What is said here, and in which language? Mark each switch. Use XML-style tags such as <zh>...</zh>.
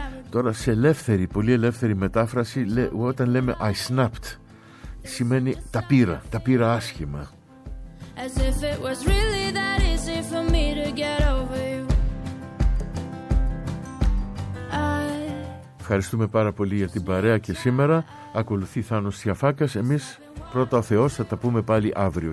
<el>Τώρα σε ελεύθερη, πολύ ελεύθερη μετάφραση, όταν λέμε</el> <en>I snapped,</en> <el>σημαίνει τα πήρα άσχημα.</el> <en>As if it was really that easy for me to get over you.</en> <el>Ευχαριστούμε πάρα πολύ για την παρέα και σήμερα. Ακολουθεί Θάνος Σιαφάκας. Εμείς πρώτα ο Θεός θα τα πούμε πάλι αύριο.</el>